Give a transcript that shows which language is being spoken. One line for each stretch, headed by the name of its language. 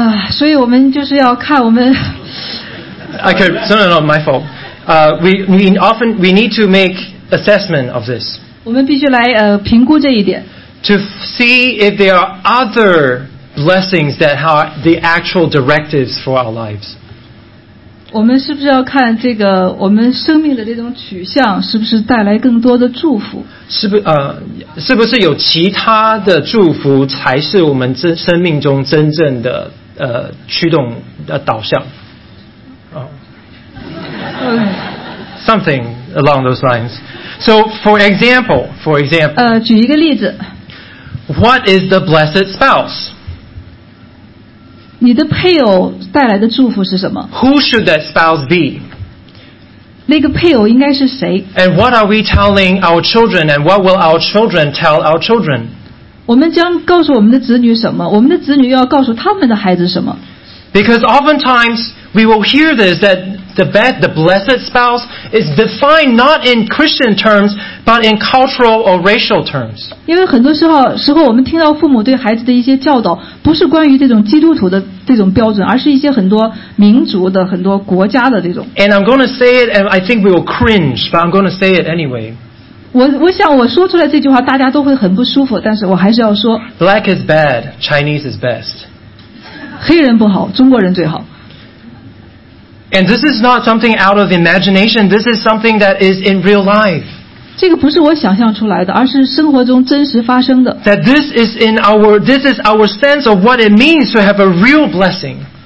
Chinese: 所以我们就是要看我们。
English: I could, no, my fault. We need to make. Assessment of this.
Chinese: 我们必须来评估这一点。
English: To see if there are other blessings that are the actual directives for our lives.
Chinese: 我们是不是要看这个我们生命的这种取向是不是带来更多的祝福？是不是有其他的祝福才是我们生命中真正的驱动的导向？
English: Something along those lines. So, for example,
Chinese: 举一个例子。
English: What is the blessed spouse?
Chinese: 你的配偶带来的祝福是什么？
English: Who should that spouse be?
Chinese: 那个配偶应该是谁?
English: And what are we telling our children, and what will our children tell our children?
Chinese: 我们将告诉我们的子女什么?我们的子女要告诉他们的孩子什么?
English: Because oftentimes we will hear this, that the blessed spouse is defined not in Christian terms, but in cultural or racial terms.
Chinese: 因为很多时候我们听到父母对孩子的一些教导不是关于这种基督徒的这种标准而是一些很多民族的很多国家的这种
English: And I'm going to say it, and I think we will cringe, but I'm going to say it anyway.
Chinese: 我想我说出来这句话大家都会很不舒服但是我还是要说
English: Black is bad, Chinese is best.
Chinese: 黑人不好,中国人最好。
English: And this is not something out of imagination, this is something that is in real life.
Chinese: 这个不是我想象出来的,而是生活中真实发生的。
English: That this is our sense of what it means to have a real blessing.